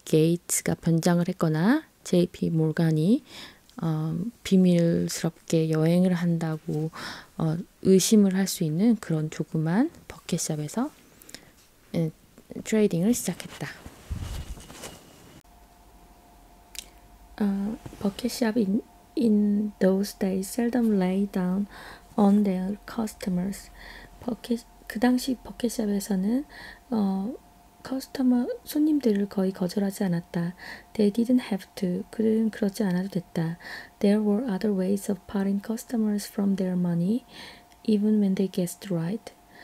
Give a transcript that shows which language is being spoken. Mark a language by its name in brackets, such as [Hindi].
[Korean] 게이츠가 변장을 했거나 JP 모건이 비밀스럽게 여행을 한다고 의심을 할수 있는 그런 조그만 버킷샵에서 트레이딩을 시작했다. [English] 버킷샵 in those days seldom lay down on their customers. [Korean] 그 당시 버킷샵에서는 커스터머 손님들을 거의 거절하지 않았다. [English] They didn't have to. [Korean] 그들은 그렇지 않아도 됐다. [English] There were other ways of parting customers from their money, even when they guessed right.